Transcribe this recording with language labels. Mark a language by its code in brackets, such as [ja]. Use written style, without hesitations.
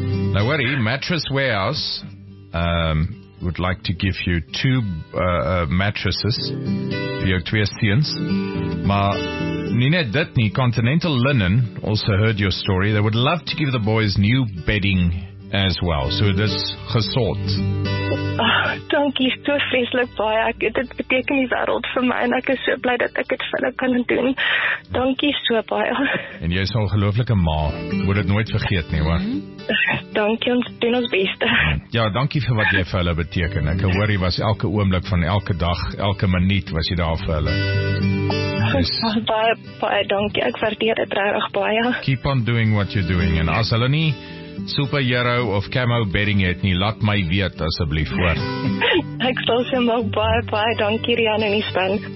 [en] Now worry, Mattress Warehouse would like to give you two mattresses for your [af] twee seens. Maar nie net dit nie, Continental Linen [en] also heard your story. They would love to give the boys new bedding as well. [af] So dis gesort. Dankie, so vreselik baie. Dit beteken die wereld vir my en ek is so bly dat ek dit vir hulle kan doen. Dankie so baie. En jy is 'n ongelooflike ma. Moet dit nooit vergeet nie, hoor. Dankie, ons doen ons beste. Ja, dankie vir wat jy vir hulle beteken. Ek hoor jy was elke oomblik van elke dag, elke minuut was jy daar vir hulle. Baie dankie. Ek waardeer dit regtig baie. [en] Keep on doing what you're doing. [af] En as hulle nie superhero of camo bedding het nie. Laat my weet asseblief hoor. Ek sal se maak baie baie dankie Rian en die span.